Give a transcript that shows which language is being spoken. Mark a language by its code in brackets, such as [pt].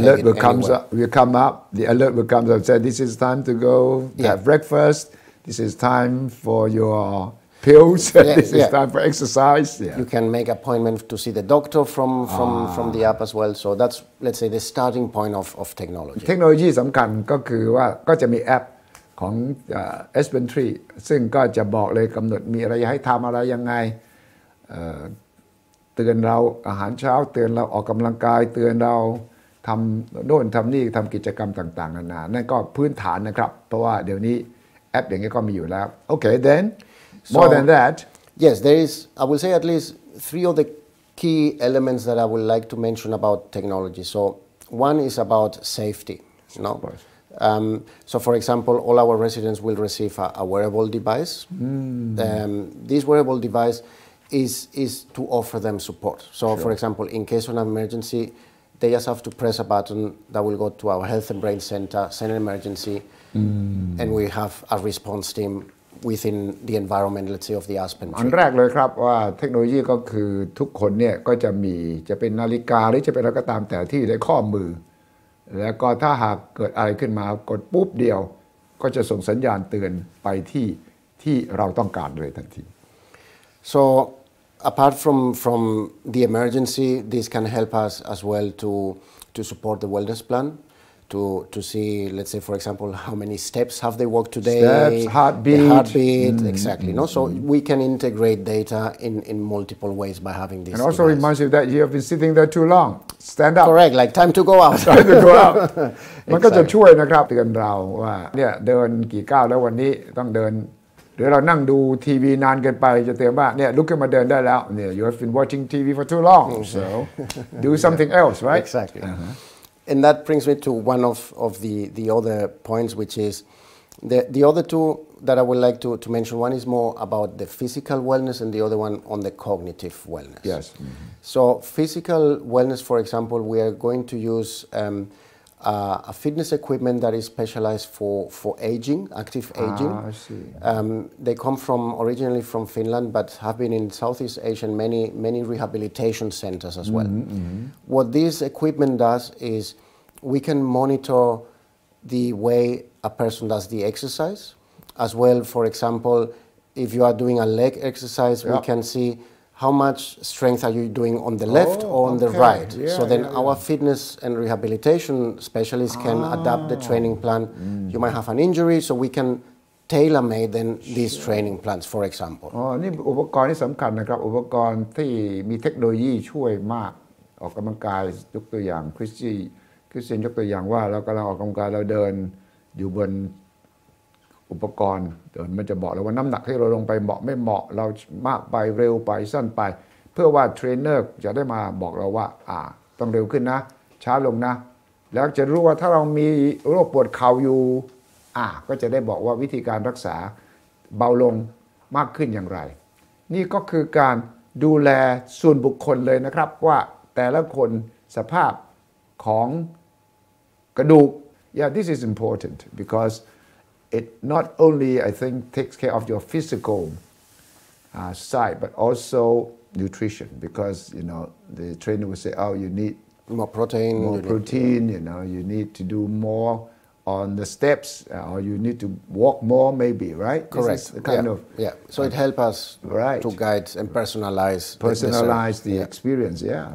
[en] the alert will, comes up, will come up. The alert will come up and say, this is time to go yeah. have breakfast. This is time for your... Pills, yeah, this is yeah. time for exercise. Yeah. You can make appointment to see the doctor from the app as well. So that's, let's say, the starting point of technology. [th] Technology สำคัญก็คือว่าก็จะมีแอปของ Aspen Tree ซึ่งก็จะบอกเลยกำหนดมีอะไรให้ทำอะไรยังไงเตือนเราอาหารเช้าเตือนเราออกกำลังกายเตือนเราทำโน่นทำนี่ทำกิจกรรมต่างๆนานานั่นก็พื้นฐานนะครับเพราะว่าเดี๋ยวนี้แอปอย่างนี้ก็มีอยู่แล้ว [en] Okay, then So, More than that, yes, there is. I will say at least three of the key elements that I would like to mention about technology. So, one is about safety. No, so for example, all our residents will receive a wearable device. Mm-hmm. This wearable device is to offer them support. So, sure. for example, in case of an emergency, they just have to press a button that will go to our health and brain center, send an emergency, mm-hmm. and we have a response team. within the environment, let's say, of the Aspen [th] tree. อันแรกเลยครับว่าเทคโนโลยีก็คือทุกคนเนี่ยก็จะมีจะเป็นนาฬิกาหรือจะเป็นอะไรก็ตามแต่ที่ในข้อมือแล้วก็ถ้าหากเกิดอะไรขึ้นมากดปุ๊บเดียวก็จะส่งสัญญาณเตือนไปที่ที่เราต้องการเลยทันที [en] So apart from the emergency, this can help us as well to support the wellness plan. To see, let's say, for example, how many steps have they walked today? Steps, heartbeat. The heartbeat, exactly. Mm-hmm. No? So we can integrate data in multiple ways by having this. And also reminds you that you have been sitting there too long. Stand up. Correct, like time to go out. Time to go out. [th] มันก็จะช่วยนะครับเตือนเราว่าเนี่ยเดินกี่ก้าวแล้ววันนี้ต้องเดินหรือเรานั่งดูทีวีนานเกินไปจะเตือนว่าเนี่ย look มาเดินได้แล้วเนี่ย [en] you have been watching TV for too long. So do something else, right? Exactly. Uh-huh. And that brings me to one of the other points, which is the other two that I would like to mention. One is more about the physical wellness and the other one on the cognitive wellness. Yes. Mm-hmm. So physical wellness, for example, we are going to use a fitness equipment that is specialized for aging, active aging. Ah, I see. They come from originally from Finland, but have been in Southeast Asia and many rehabilitation centers as mm-hmm, well. Mm-hmm. What this equipment does is we can monitor the way a person does the exercise as well. For example, if you are doing a leg exercise, yep. We can see how much strength are you doing on the left or on okay. the right? Yeah, so then yeah, our yeah. fitness and rehabilitation specialist can adapt the training plan. Mm. You might have an injury, so we can tailor-made then sure. these training plans, for example. [th] อ๋อนี่อุปกรณ์ที่สำคัญนะครับอุปกรณ์ที่มีเทคโนโลยีช่วยมากออกกำลังกายยกตัวอย่างคริสเตียนยกตัวอย่างว่าเรากำลังออกกำลังกายเราเดินอยู่บน อุปกรณ์เดินมันจะบอกเลยว่าน้ำหนักที่เราลงไปเหมาะไม่เหมาะเรามากไปเร็วไปสั้นไปเพื่อว่าเทรนเนอร์จะได้มาบอกเราว่าต้องเร็วขึ้นนะช้าลงนะแล้วจะรู้ว่าถ้าเรามีโรคปวดเข่าอยู่ ก็จะได้บอกว่าวิธีการรักษาเบาลงมากขึ้นอย่างไรนี่ก็คือการดูแลส่วนบุคคลเลยนะครับว่าแต่ละคนสภาพของกระดูก [en] yeah this is important becauseIt not only, I think, takes care of your physical side, but also nutrition. Because, you know, the trainer will say, oh, you need more protein, you know, you need to do more on the steps, or you need to walk more maybe, right? Correct. This is kind yeah. of... Yeah. So it helps us right. to guide and personalize. Personalize the experience, yeah.